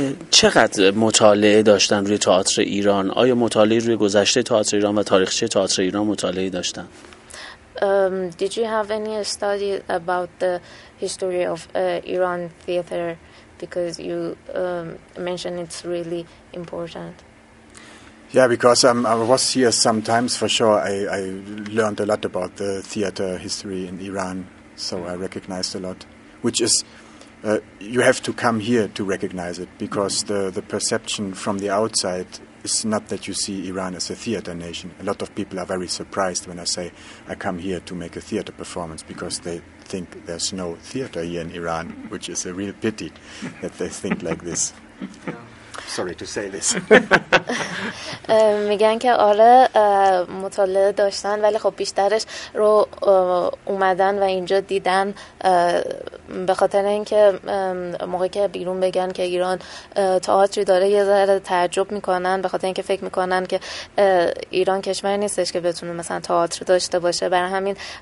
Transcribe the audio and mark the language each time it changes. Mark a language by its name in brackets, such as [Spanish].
[Persian] چقدر مطالعه داشتن روی تئاتر ایران؟ آیا مطالعه روی گذشته تئاتر ایران و تاریخچه تئاتر ایران مطالعه داشتن؟ [English] Did you have any study about the history of Iran theater? Because you mentioned it's really important. Yeah, because I was here sometimes for sure. I learned a lot about the theater history in Iran, so I recognized a lot, which is you have to come here to recognize it, because the perception from the outside is not that you see Iran as a theater nation. A lot of people are very surprised when I say I come here to make a theater performance, because they think there's no theater here in Iran, which is a real pity that they think like this. Sorry to say this. [Persian] میگن که آره مطالعه داشتن ولی خب بیشترش رو اومدن و اینجا دیدن به خاطر اینکه موقعی که بیرون بگن که ایران تئاتری داره یه ذره تعجب میکنن به خاطر اینکه فکر میکنن که ایران کشوری نیستش که بتونه مثلا تئاتر داشته باشه برای همین